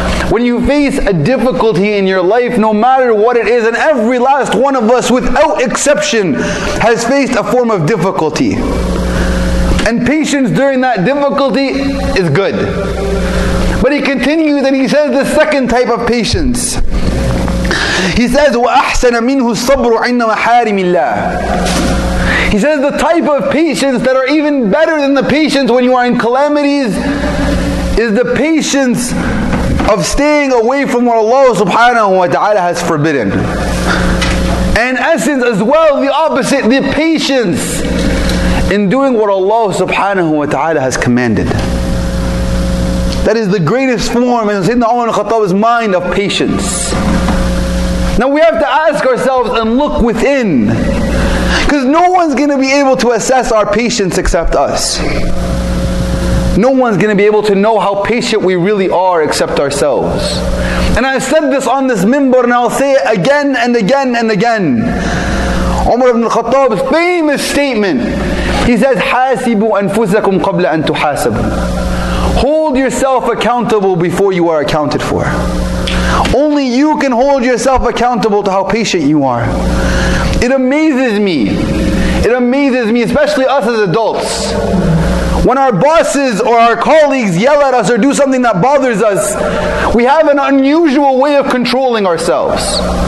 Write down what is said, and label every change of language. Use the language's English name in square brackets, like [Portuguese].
[English] When you face a difficulty in your life, no matter what it is, and every last one of us, without exception, has faced a form of difficulty. And patience during that difficulty is good. But he continues and he says the second type of patience. [Arabic] He says, وَأَحْسَنَ مِنْهُ الصَّبْرُ عِنَّ مَحَارِمِ اللَّهِ. [English] He says the type of patience that are even better than the patience when you are in calamities is the patience of staying away from what Allah subhanahu wa ta'ala has forbidden. And in essence as well, the opposite, the patience in doing what Allah subhanahu wa ta'ala has commanded. That is the greatest form in Sayyidina Umar al-Khattab's mind of patience. Now we have to ask ourselves and look within. Because no one's going to be able to assess our patience except us. No one's going to be able to know how patient we really are except ourselves. And I've said this on this minbar and I'll say it again and again and again. Umar ibn al-Khattab's famous statement. [Arabic] He says, حَاسِبُوا أَنفُسَكُمْ قَبْلَ أَن تُحَاسَبُوا. [English] Hold yourself accountable before you are accounted for. Only you can hold yourself accountable to how patient you are. It amazes me. It amazes me, especially us as adults. When our bosses or our colleagues yell at us or do something that bothers us, we have an unusual way of controlling ourselves.